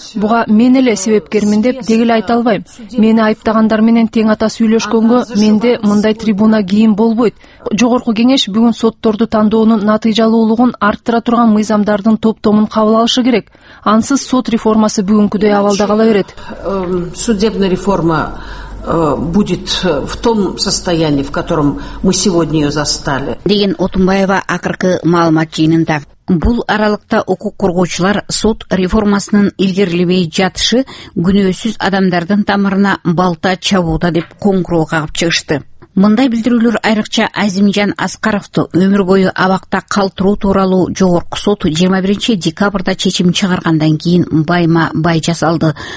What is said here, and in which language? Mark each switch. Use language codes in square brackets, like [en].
[ky] Буга мен эле себепкермин деп деги эле айта албайм. Мени айыптагандар менен тең ата сүйлөшкөнгө менде мындай трибуна кийин болбойт. Жогорку кеңеш бүгүн сотторду тандоонун натыйжалуулугун арттыра турган мыйзамдардын топтомун кабыл алышы керек. Ансыз сот реформасы бүгүнкүдөй абалда кала берет. [ru] Судебная реформа будет в том состоянии, в котором мы сегодня ее застали. [ky] Деген Отунбаева акыркы маалымат жыйынында. Бул аралыкта укук коргоочулар сот реформасынын илгерилебей жатышы күнөөсүз адамдардын тамырына балта чабууда деп коңгуроо кагып чыгышты. Мындай билдирүүлөр айрыкча Азимжан Аскаровду өмүр бою абакта калтыруу тууралуу жогорку сот 21 декабрда чечим чыгаргандан кийин байма бай жасалды.